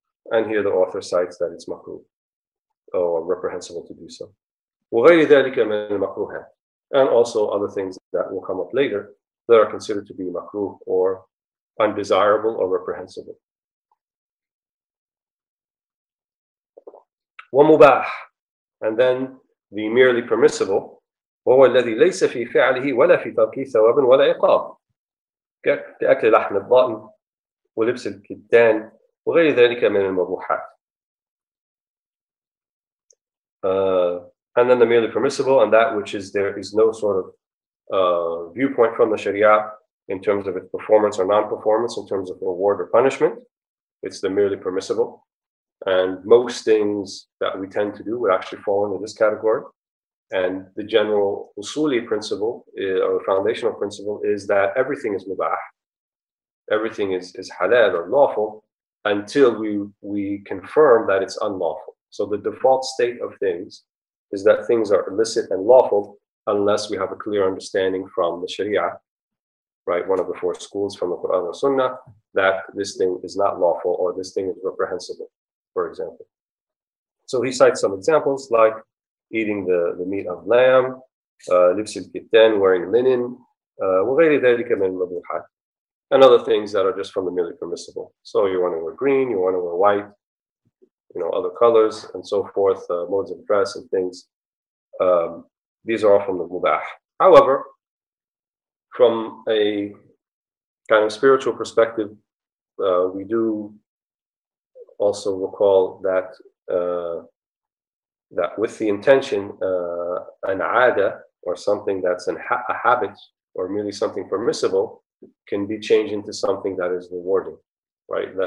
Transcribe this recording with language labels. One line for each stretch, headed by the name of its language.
English: And here the author cites that it's makruh or reprehensible to do so.
Arabic: وَغَيْرِ ذَلِكَ مِنَ الْمَكْرُوهَةِ,
English: and also other things that will come up later that are considered to be makruh or undesirable or reprehensible.
Arabic: وَمُبَاح,
English: and then the merely permissible,
Arabic: وَهُوَ الَّذِي لَيْسَ فِي فِعْلِهِ وَلَا فِي تَرْكِهِ ثَوَابٍ وَلَا عِقَابٍ كَأَكْلِ لَحْمِ الضَّأْنِ وَلِبْسِ الْكِتَّانِ وَغَيْرِ ذَلِكَ مِنَ الْمَبُوحَاتِ.
English: And then the merely permissible, and that which is there is no sort of viewpoint from the Sharia in terms of its performance or non-performance, in terms of reward or punishment. It's the merely permissible. And most things that we tend to do would actually fall into this category. And the general usuli principle, or foundational principle, is that everything is mubah. Everything is halal or lawful until we confirm that it's unlawful. So the default state of things is that things are illicit and lawful unless we have a clear understanding from the Sharia, right? One of the four schools from the Quran or Sunnah, that this thing is not lawful or this thing is reprehensible. For example, so he cites some examples like eating the meat of lamb,
Arabic: لبس الكتان,
English: wearing linen,
Arabic: وغير ذلك من المباحات.
English: And other things that are just familiarly permissible. So you want to wear green, you want to wear white, you know, other colors and so forth, modes of dress and things. These are all from the mubah. However, from a kind of spiritual perspective, we do also recall that that with the intention, an ada or something that's a habit or merely something permissible can be changed into something that is rewarding, right?